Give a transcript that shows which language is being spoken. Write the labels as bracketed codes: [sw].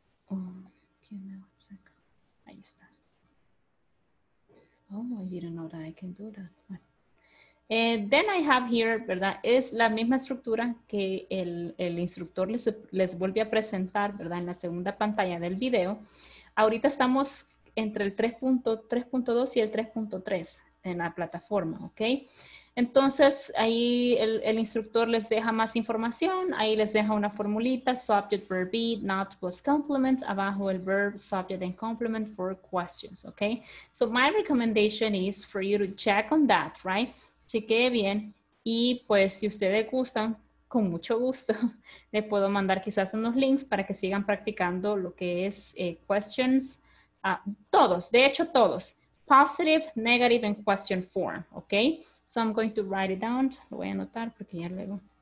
[en] Oh, I didn't know that I can do that. Then I have here, ¿verdad? [es] Es la misma estructura que el instructor les vuelve a presentar, ¿verdad? En la segunda pantalla del video. Ahorita estamos entre el 3.2 y el 3.3 en la plataforma, ¿ok? Entonces, ahí el instructor les deja más información. Ahí les deja una formulita. [en] Subject, verb, be, not, plus complement. [es] Abajo el [en] verb, subject, and complement for questions, ¿ok? So, my recommendation is for you to check on that, right? [es] Chequee bien. Y, pues, si ustedes gustan, con mucho gusto, les puedo mandar quizás unos links para que sigan practicando lo que es questions. Todos, de hecho, todos. [en] Positive, negative, and question form, ¿ok? So I'm going to write it down. [es] Lo voy a anotar porque ya luego.